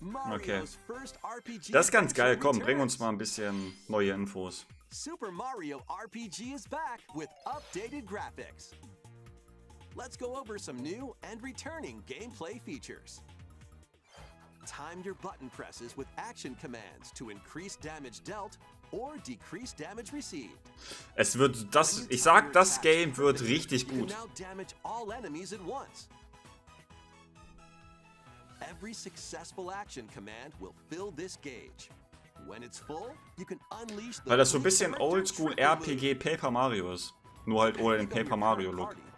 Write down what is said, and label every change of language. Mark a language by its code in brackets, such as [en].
[de] Okay. Das ist ganz geil. Komm, bring uns mal ein bisschen neue Infos. [en] Super Mario RPG is back with updated graphics. Let's go over some new and returning gameplay features. Time your button presses with action commands to increase damage dealt or decrease damage received. [de] Es wird das, ich sag, das Game wird richtig gut. [en] Damage all enemies at once. Every successful action command will fill this gauge. When it's full, you can unleash the. [de] Weil das so ein bisschen oldschool RPG Paper Mario ist, nur halt ohne den Paper Mario Look.